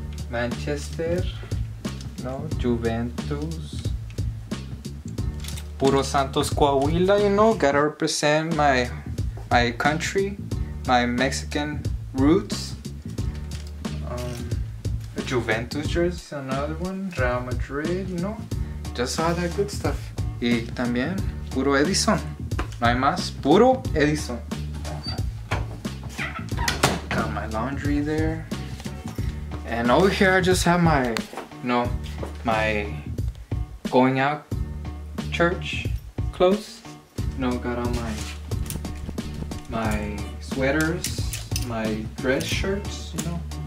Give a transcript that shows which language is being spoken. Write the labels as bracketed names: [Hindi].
[English] Manchester, no, Juventus, Puro Santos Coahuila, you know, gotta represent my country, my Mexican roots. A Juventus jersey, another one, Real Madrid, you know, just all that good stuff. [Spanish] Y también, Puro Edison, no hay más, Puro Edison. [English] Got my laundry there. And over here, I just have my, you know, my going out church clothes. You know, got all my sweaters, my dress shirts, you know.